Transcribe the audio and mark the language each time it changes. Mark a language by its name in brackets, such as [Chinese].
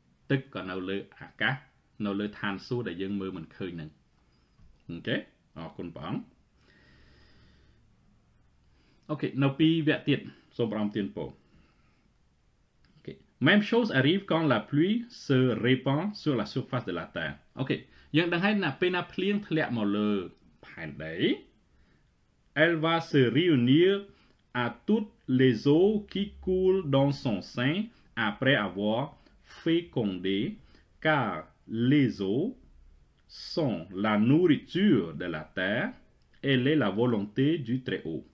[Khmer] ទឹកក៏នៅលើអាកាសនៅលើឋានសួគ៌ដែលយើងមើលមិនឃើញហ្នឹងអូខេអរគុណព្រះអង្គអូខេនៅពីវគ្គទៀតសូមប្រំទានពរ [French] Même chose arrive quand la pluie se répand sur la surface de la terre. [English] OK. [Khmer] យើងដឹងហើយណាពេលណាភ្លៀងធ្លាក់មកលើផែនដី [French] Elle va se réunir à toutes les eaux qui coulent dans son sein après avoir fécondé car les eaux sont la nourriture de la terre. Elle est la volonté du Très-Haut.